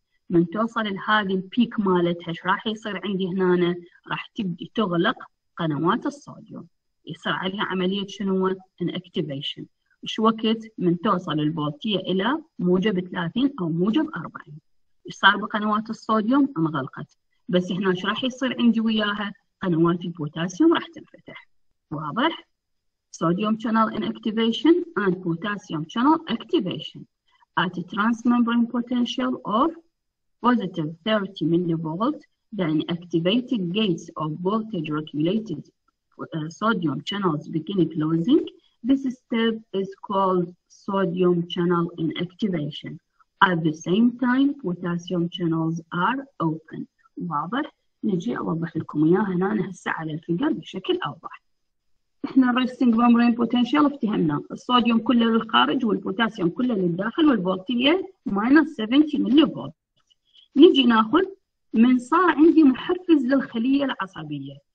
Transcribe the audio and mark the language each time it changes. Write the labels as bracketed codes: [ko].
[ar] من توصل لهذه البيك مالتها ايش راح يصير عندي هنا؟ راح تبدي تغلق قنوات الصوديوم. يصير عليها عملية شنو؟ ان اكتيفيشن. ايش وقت من توصل الفولتية الى موجب 30 او موجب 40؟ ايش صار بقنوات الصوديوم؟ انغلقت. بس هنا ايش راح يصير عندي وياها؟ قنوات البوتاسيوم راح تنفتح. [en] واضح؟ Sodium channel inactivation and potassium channel activation at transmembrane potential of positive 30 millivolt then activated gates of voltage regulated sodium channels begin closing. This step is called sodium channel inactivation. At the same time, potassium channels are open. [ar] واضح؟ نجي أوضح لكم إياها هنا هسه على الفيجر بشكل أوضح. إحنا resting membrane potential افتهمنا، الصوديوم كله للخارج والبوتاسيوم كله للداخل والفولتية minus 70 ملي فولت. نجي ناخذ من صار عندي محفز للخلية العصبية.